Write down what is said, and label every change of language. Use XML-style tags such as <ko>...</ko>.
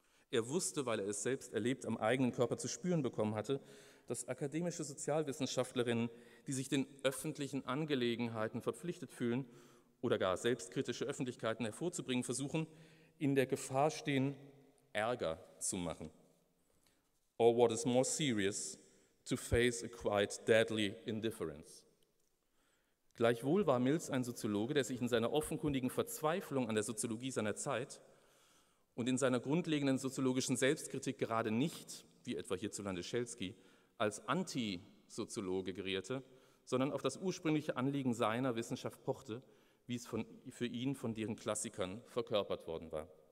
<de>Er wusste, weil er es selbst erlebt, am eigenen Körper zu spüren bekommen hatte, dass akademische Sozialwissenschaftlerinnen, die sich den öffentlichen Angelegenheiten verpflichtet fühlen oder gar selbstkritische Öffentlichkeiten hervorzubringen versuchen, in der Gefahr stehen, Ärger zu machen.</de> <en>Or what is more serious, to face a quite deadly indifference.</en> <de>Gleichwohl war Mills ein Soziologe, der sich in seiner offenkundigen Verzweiflung an der Soziologie seiner Zeit und in seiner grundlegenden soziologischen Selbstkritik gerade nicht, wie etwa hierzulande Schelsky, als Anti-Soziologe gerierte, sondern auf das ursprüngliche Anliegen seiner Wissenschaft pochte, wie es für ihn von deren Klassikern verkörpert worden war.</de>